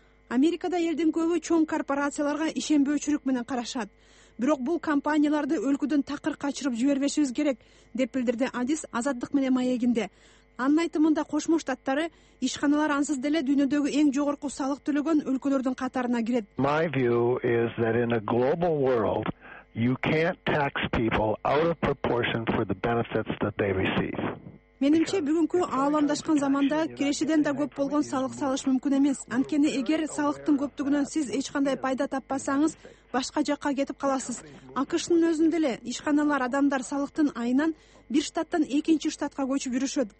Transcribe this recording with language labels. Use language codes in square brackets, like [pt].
[ky] Америкада элдин көбү чоң корпорацияларга ишенбөөчүлүк менен карашат. Бирок бул компанияларды өлкөдөн такыр качырып жибербешибиз керек, деп билдирди Адис Азаттык менен маегинде. Анын айтымында Кошмо Штаттары ишканалар ансыз деле дүйнөдөгү эң жогорку салык төлөгөн өлкөлөрдүн катарына кирет. [en] My view is that in a global world, you can't tax people out of proportion for the benefits that they receive. [ky] Менимче бүгүнкү ааламдашкан заманда кирешеден да көп болгон салык салыш мүмкүн эмес. Анткени эгер салыктын көптүгүнөн сиз эч кандай пайда таппасаңыз, башка жакка кетип каласыз. АКШнын өзүндө эле ишканалар адамдар салыктын айынан бир штаттан экинчи штатка көчүп жүрүшөт.